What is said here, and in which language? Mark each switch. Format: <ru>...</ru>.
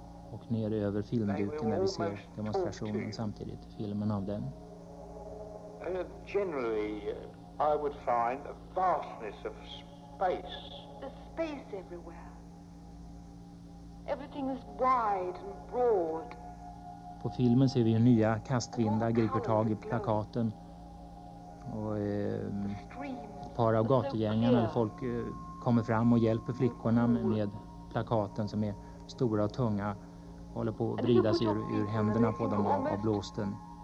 <sv>Och ner över filmduken när vi ser demonstrationen samtidigt, filmen av den.</sv> <en>Generally, I would find a vastness of space. There's space everywhere. Everything is wide and broad.</en> <sv>På filmen ser vi hur nya kastvindar griper tag i plakaten. Och ett par av gatugängarna, folk kommer fram och hjälper flickorna med plakaten som är stora och tunga. Håller på att vrida sig ur händerna på dem av blåsten.</sv>